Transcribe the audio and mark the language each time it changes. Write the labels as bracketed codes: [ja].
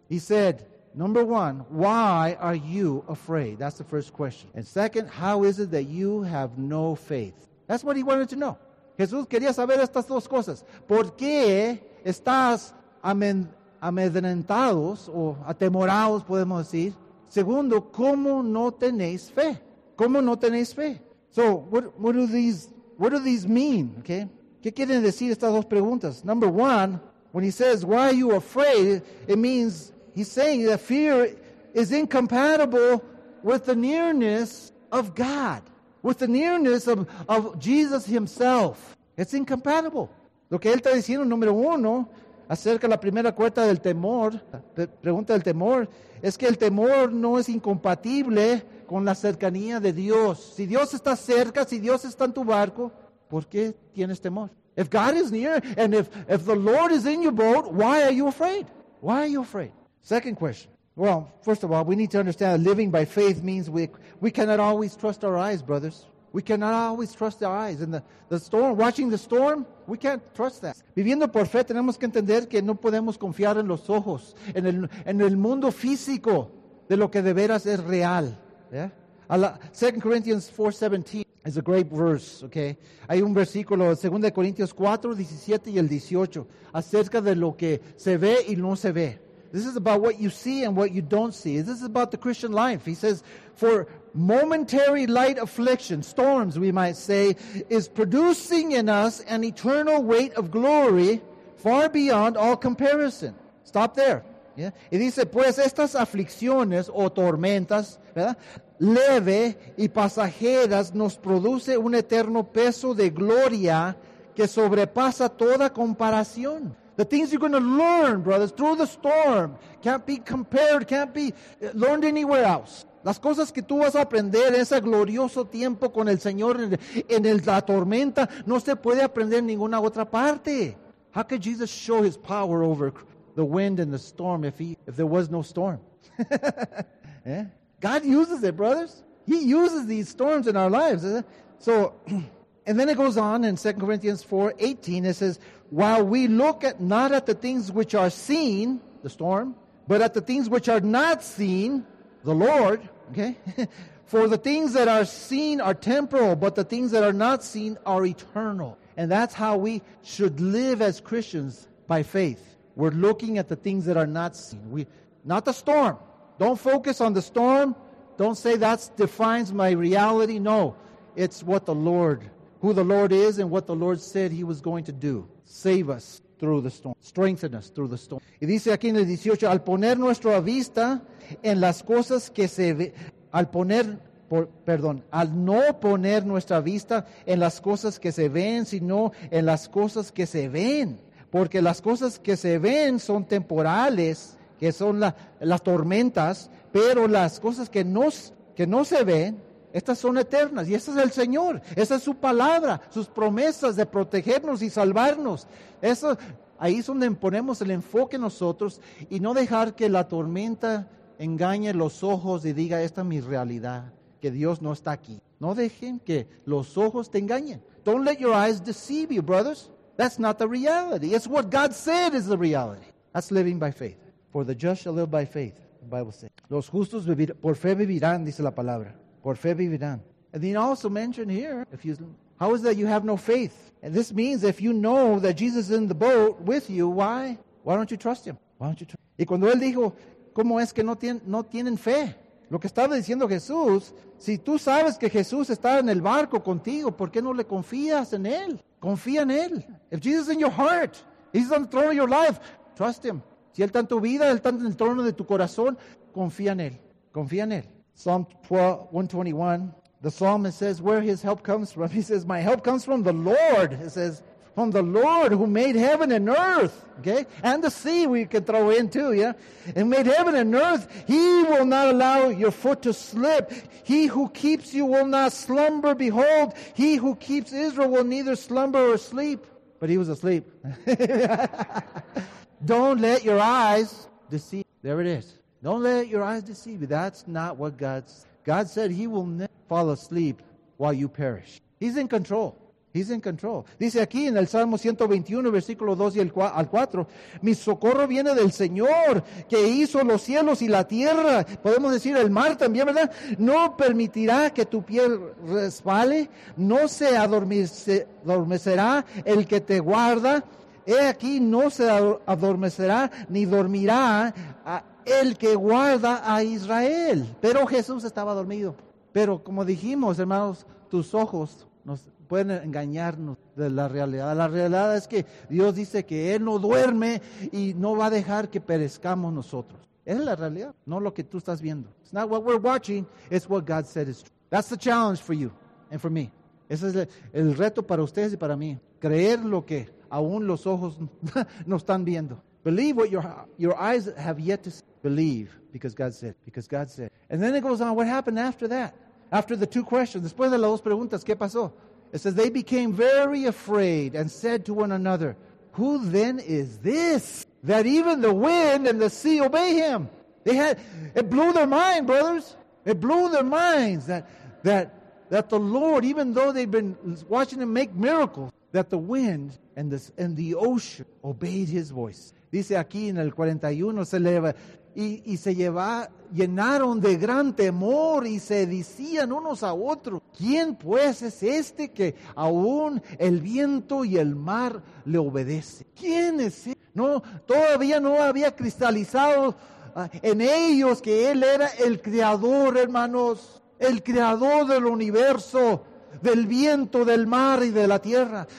[en] He said, number one, why are you afraid? That's the first question. And second, how is it that you have no faith? That's what he wanted to know. [es] Jesús quería saber estas dos cosas. ¿Por qué estás amedrentados o atemorados, podemos decir? Segundo, ¿cómo no tenéis fe? ¿Cómo no tenéis fe? [en] So, what do these mean? Okay? [es] ¿Qué quieren decir estas dos preguntas? [en] Number one, when he says, why are you afraid? It means, he's saying that fear is incompatible with the nearness of God. With the nearness of Jesus himself. It's incompatible. [es] Lo que él está diciendo, número uno, acerca de la primera cuarta del temor, pregunta del temor, es que el temor no es incompatible con la cercanía de Dios. Si Dios está cerca, si Dios está en tu barco, ¿por qué tienes temor? [en] If God is near, and if the Lord is in your boat, why are you afraid? Why are you afraid? Second question. Well, first of all, we need to understand that living by faith means we cannot always trust our eyes, brothers. We cannot always trust our eyes. In the storm, watching the storm, we can't trust that. [es] Viviendo por fe, tenemos que entender que no podemos confiar en los ojos, en el mundo físico de lo que de veras es real. [en] Yeah? 2 Corinthians 4:17 is a great verse, okay? [es] Hay un versículo, 2 Corinthians 4:17 y el 18, acerca de lo que se ve y no se ve. [en] This is about what you see and what you don't see. This is about the Christian life. He says, for momentary light affliction, storms we might say, is producing in us an eternal weight of glory far beyond all comparison. Stop there. Yeah. [es] Y dice, pues estas aflicciones o tormentas, ¿verdad? Leve y pasajeras nos produce un eterno peso de gloria que sobrepasa toda comparación. [en] The things you're going to learn, brothers, through the storm can't be compared, can't be learned anywhere else. [es] Las cosas que tú vas a aprender en ese glorioso tiempo con el Señor en la tormenta no se puede aprender en ninguna otra parte. [en] How could Jesus show his power over the wind and the storm if there was no storm? Yeah? God uses it, brothers. He uses these storms in our lives. So, and then it goes on in 2 Corinthians 4:18, it says, while we look at not at the things which are seen, the storm, but at the things which are not seen, the Lord, okay? For the things that are seen are temporal, but the things that are not seen are eternal. And that's how we should live as Christians, by faith. We're looking at the things that are not seen. Not the storm. Don't focus on the storm. Don't say that defines my reality. No, it's what the Lord, who the Lord is and what the Lord said he was going to do. Save us. through the storm. Strengthen us through the storm. [es] Y dice aquí en el 18, al poner nuestra vista en las cosas que se ve, al no poner nuestra vista en las cosas que se ven, sino en las cosas que se ven. Porque las cosas que se ven son temporales, que son las tormentas, pero las cosas que no se ven, estas son eternas. Y ese es el Señor, esa es su palabra, sus promesas de protegernos y salvarnos. Eso, ahí es donde ponemos el enfoque nosotros y no dejar que la tormenta engañe los ojos y diga, esta es mi realidad, que Dios no está aquí. No dejen que los ojos te engañen. [en] Don't let your eyes deceive you, brothers. That's not the reality. It's what God said is the reality. That's living by faith. For the just shall live by faith, the Bible says. [es] Los justos por fe vivirán, dice la palabra. Por fe vivirán. [en] And then also mentioned here, how is that you have no faith? And this means if you know that Jesus is in the boat with you, why don't you trust him? Why don't you trust him? [es] Y cuando él dijo, ¿cómo es que no tienen fe? Lo que estaba diciendo Jesús, si tú sabes que Jesús está en el barco contigo, ¿por qué no le confías en él? Confía en él. [en] If Jesus is in your heart, he's on the throne of your life, trust him. [es] Si él está en tu vida, él está en el trono de tu corazón, confía en él. Confía en él. [en] Psalm 121, the psalmist says, where his help comes from? He says, my help comes from the Lord. He says, from the Lord who made heaven and earth, okay? And the sea we can throw in too, yeah? And made heaven and earth, he will not allow your foot to slip. He who keeps you will not slumber. Behold, he who keeps Israel will neither slumber or sleep. But he was asleep. Don't let your eyes deceive you. There it is. Don't let your eyes deceive you. That's not what God said. God said he will never fall asleep while you perish. He's in control. He's in control. [es] Dice aquí en el Salmo 121, versículo 2 y al 4. Mi socorro viene del Señor, que hizo los cielos y la tierra. Podemos decir el mar también, ¿verdad? No permitirá que tu pie resbale. No se adormecerá el que te guarda. He aquí, no se adormecerá ni dormirá el que guarda a Israel. Pero Jesús estaba dormido. Pero como dijimos, hermanos, tus ojos nos pueden engañarnos de la realidad. La realidad es que Dios dice que Él no duerme y no va a dejar que perezcamos nosotros. Esa es la realidad, no lo que tú estás viendo. [en] It's not what we're watching, it's what God said is true. That's the challenge for you and for me. [es] Ese es el reto para ustedes y para mí. Creer lo que aún los ojos no están viendo. [en] Believe what your eyes have yet to see. Believe, because God said. And then it goes on, what happened after that? After the two questions, [es] después de las dos preguntas, ¿qué pasó? [en] It says, they became very afraid and said to one another, who then is this that even the wind and the sea obey him? It blew their mind, brothers. It blew their minds that the Lord, even though they've been watching him make miracles, that the wind and the ocean obeyed his voice. [es] Dice aquí en el 41, se eleva, y se lleva, llenaron de gran temor y se decían unos a otros, ¿quién pues es este que aún el viento y el mar le obedece? ¿Quién es este? No, todavía no había cristalizado en ellos que él era el creador, hermanos, el creador del universo, del viento, del mar y de la tierra.